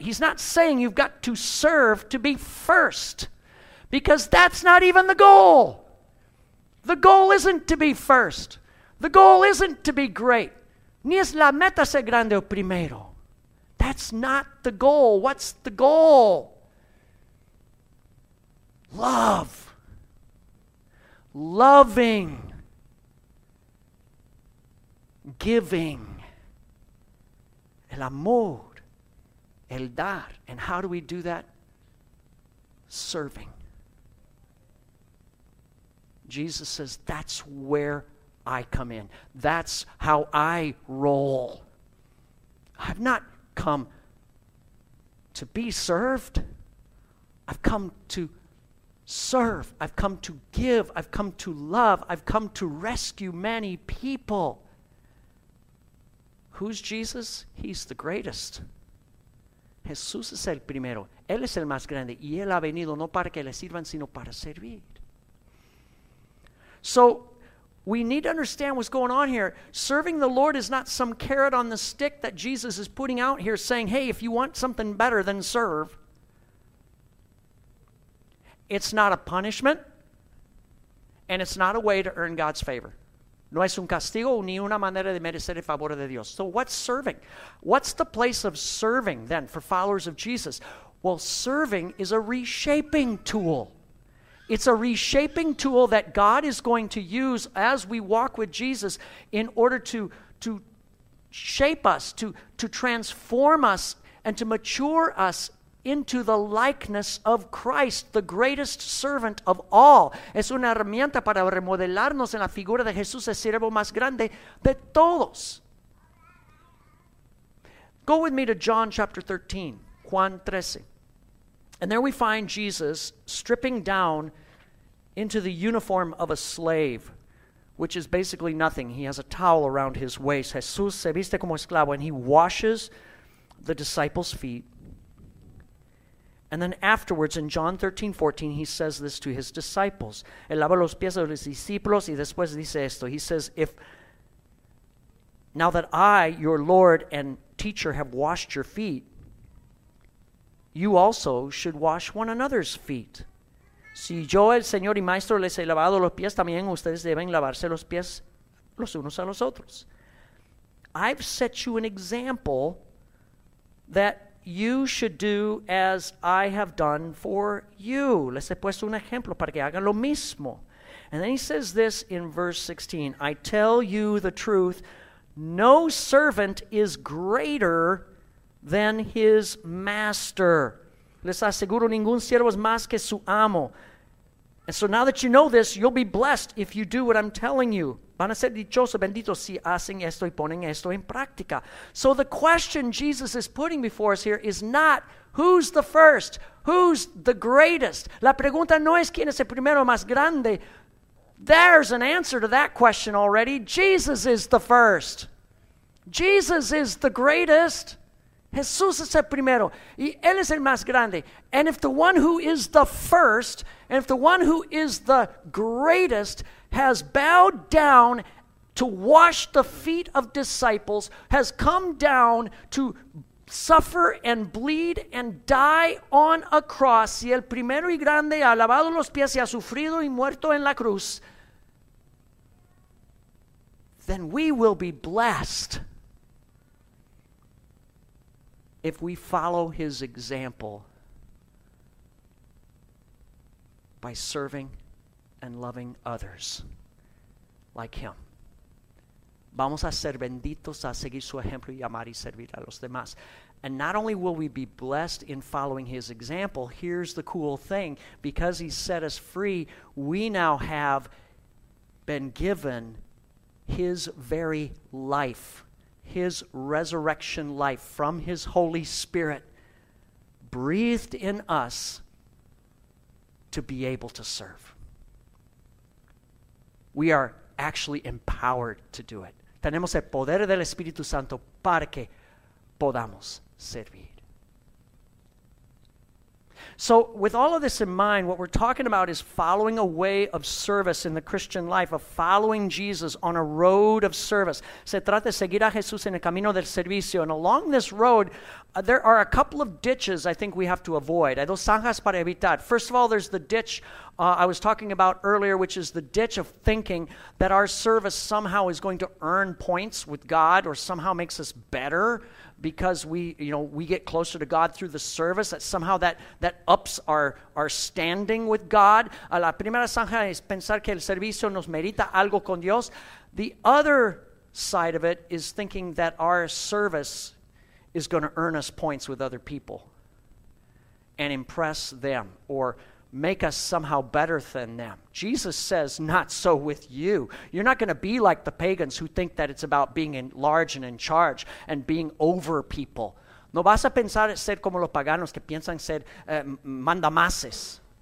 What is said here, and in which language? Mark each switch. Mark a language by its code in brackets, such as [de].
[en] He's not saying you've got to serve to be first, because that's not even the goal. The goal isn't to be first. The goal isn't to be great. [es] Ni es la meta ser grande o primero. [en] That's not the goal. What's the goal? Love. Loving. Giving. [es] El amor. El dar. [en] And how do we do that? Serving. Jesus says, that's where I come in. That's how I roll. I've not come to be served. I've come to serve. I've come to give. I've come to love. I've come to rescue many people. Who's Jesus? He's the greatest. [es] Jesús es el primero. Él es el más grande. Y Él ha venido no para que le sirvan, sino para servir. [en] So, we need to understand what's going on here. Serving the Lord is not some carrot on the stick that Jesus is putting out here saying, hey, if you want something better, then serve. It's not a punishment, and it's not a way to earn God's favor. [es] No es un castigo ni una manera de merecer el favor de Dios. [en] So what's serving? What's the place of serving then for followers of Jesus? Well, serving is a reshaping tool. It's a reshaping tool that God is going to use as we walk with Jesus in order to shape us, to transform us, and to mature us into the likeness of Christ, the greatest servant of all. [es] Es una herramienta para remodelarnos en la figura de Jesús, el siervo más grande de todos. [en] Go with me to John chapter 13, Juan 13. And there we find Jesus stripping down into the uniform of a slave, which is basically nothing. He has a towel around his waist. [es] Jesús se viste como esclavo, [en] and he washes the disciples' feet. And then afterwards, in John 13, 14, he says this to his disciples. [es] Él lava los pies de los discípulos y después dice esto. [en] He says, "If now that I, your Lord and teacher, have washed your feet, you also should wash one another's feet. [es] Si yo, el Señor y Maestro, les he lavado los pies, también ustedes deben lavarse los pies los unos a los otros. [en] I've set you an example that you should do as I have done for you. [es] Les he puesto un ejemplo para que hagan lo mismo." [en] And then he says this in verse 16, "I tell you the truth, no servant is greater than his master." [es] Les aseguro, ningún siervo es más que su amo. [en] And so now that you know this, you'll be blessed if you do what I'm telling you. [es] Van a ser dichosos, benditos, si hacen esto y ponen esto en práctica. [en] So the question Jesus is putting before us here is not who's the first, who's the greatest. [es] La pregunta no es quién es el primero más grande. [en] There's an answer to that question already. Jesus is the first. Jesus is the greatest. [es] Jesús es el primero, y Él es el más grande. [en] And if the one who is the first, and if the one who is the greatest has bowed down to wash the feet of disciples, has come down to suffer and bleed and die on a cross, [es] si el primero y grande ha lavado los pies y ha sufrido y muerto en la cruz, [en] then we will be blessed if we follow his example by serving and loving others like him. [es] Vamos a ser benditos a seguir su ejemplo y amar y servir a los demás. [en] And not only will we be blessed in following his example, here's the cool thing. Because he set us free, we now have been given his very life. His resurrection life from his Holy Spirit breathed in us to be able to serve. We are actually empowered to do it. [es] Tenemos el poder del Espíritu Santo para que podamos servir. [en] So with all of this in mind, what we're talking about is following a way of service in the Christian life, of following Jesus on a road of service. [es] Se trata de seguir a Jesús en el camino del servicio. [en] And along this road, there are a couple of ditches I think we have to avoid. [es] Hay dos zanjas para evitar. [en] First of all, there's the ditch I was talking about earlier, which is the ditch of thinking that our service somehow is going to earn points with God or somehow makes us better because we get closer to God through the service, that somehow that ups our standing with God. [es] La primera zanja es pensar que el servicio nos merita algo con Dios. [en] The other side of it is thinking that our service is going to earn us points with other people and impress them or make us somehow better than them. Jesus says, not so with you. You're not going to be like the pagans who think that it's about being in large and in charge and being over people. [es] No vas a pensar ser como los paganos que piensan ser mandamases.